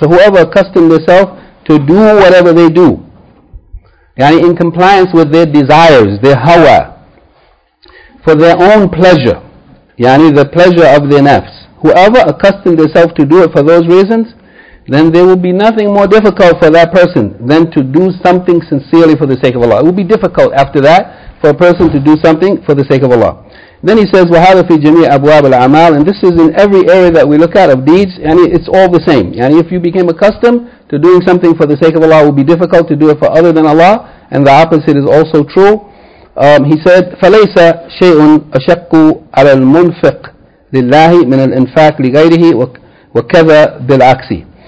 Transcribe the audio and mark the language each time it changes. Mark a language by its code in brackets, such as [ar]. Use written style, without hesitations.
[en] So whoever accustomed themselves to do whatever they do, yani in compliance with their desires, their hawa, for their own pleasure, yani the pleasure of their nafs, whoever accustomed themselves to do it for those reasons, then there will be nothing more difficult for that person than to do something sincerely for the sake of Allah. It will be difficult after that for a person to do something for the sake of Allah. Then he says, [ar] وَهَذَا فِي جَمِيعَ أَبْوَابِ الْعَمَالِ. [en] And this is in every area that we look at of deeds, and it's all the same. And if you became accustomed to doing something for the sake of Allah, it will be difficult to do it for other than Allah, and the opposite is also true. He said, [ar] فَلَيْسَ شَيْءٌ أَشَقُّ عَلَى الْمُنْفِقِ لِلَّهِ مِنَ الْإِنْفَاقِ لِغَيْرِهِ وَكَذَا بِالْعَكْسِ.